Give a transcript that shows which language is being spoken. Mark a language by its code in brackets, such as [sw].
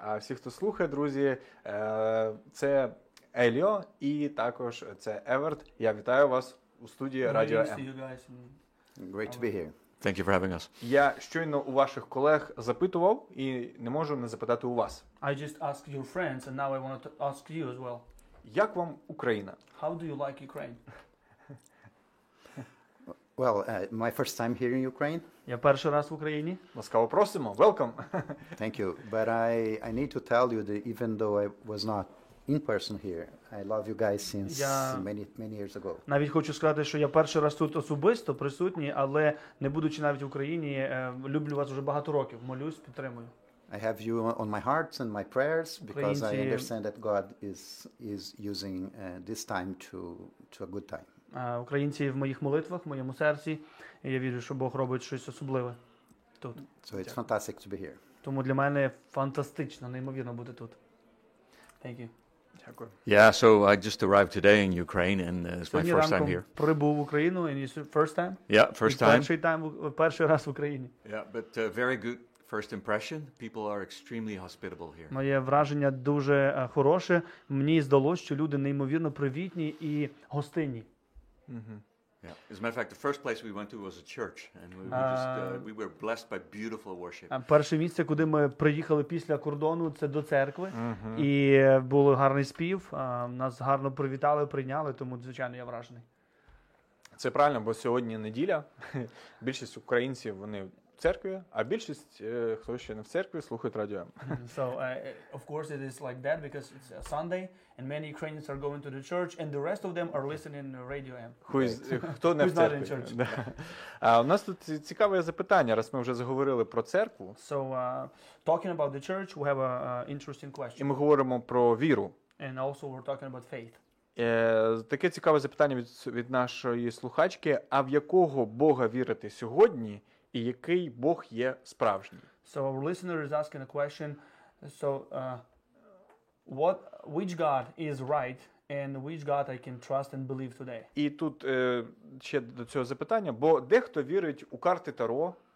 [uk] А всі, хто слухає, друзі, це Еліо і також це Еверт. Я вітаю вас у студії Радіо М. [en] Great to be here. Thank you for having us. [uk] Я щойно у ваших колег запитував і не можу не запитати у вас. [en] I just asked your friends and now I want to ask you as well. [uk] Як вам Україна? [en] How do you like Ukraine? Well, my first time here in Ukraine. [uk] Я перший раз в Україні. Ласкаво просимо. [en] Welcome. Thank you. But I need to tell you that even though I was not in person here, I love you guys since many years ago. [uk] Навіть хочу сказати, що я перший раз тут особисто присутній, але не будучи навіть в Україні, люблю вас вже багато років, молюсь, підтримую. [en] I have you on my heart and my prayers because I understand that God is using this time to a good time. [uk] Українці в моїх молитвах, в моєму серці, і я вірю, що Бог робить щось особливе тут. [en] So it's fantastic to be here. [uk] Тому для мене фантастично, неймовірно бути тут. [en] Thank you. Yeah, so I just arrived today in Ukraine and it's my first time here. [uk] Прибув в Україну, [en] and it's your first time? Yeah, first time. [uk] Перший раз в Україні. [en] Yeah, but very good first impression. People are extremely hospitable here. [uk] Моє враження дуже хороше. Мені здалось, що люди неймовірно привітні і гостинні. [en] Yeah. As a matter of fact, the first place we went to was a church, and we were blessed by beautiful worship. [uk] Перше місце, куди ми приїхали після кордону, це до церкви, і був гарний спів, нас гарно привітали, прийняли, тому, звичайно, я вражений. Це правильно, бо сьогодні неділя, більшість українців, вони в церкві, а більшість, хто ще не в церкві, слухають радіо. [en] So, of course, it is like that, because it's a Sunday. And many Ukrainians are going to the church, and the rest of them are listening to Radio M. [uk] Хто не в церкві? У нас тут цікаве запитання, раз ми вже заговорили про церкву. [en] So, talking about the church, we have an interesting question. [uk] І ми говоримо про віру. [en] And also we're talking about faith. [uk] Таке цікаве запитання від нашої слухачки. А в якого Бога вірити сьогодні, і який Бог є справжній? [en] So, our listener is asking a question. So, what which God is right and which God I can trust and believe today. [uk] І тут ще до цього запитання, бо дехто вірить у карти Таро.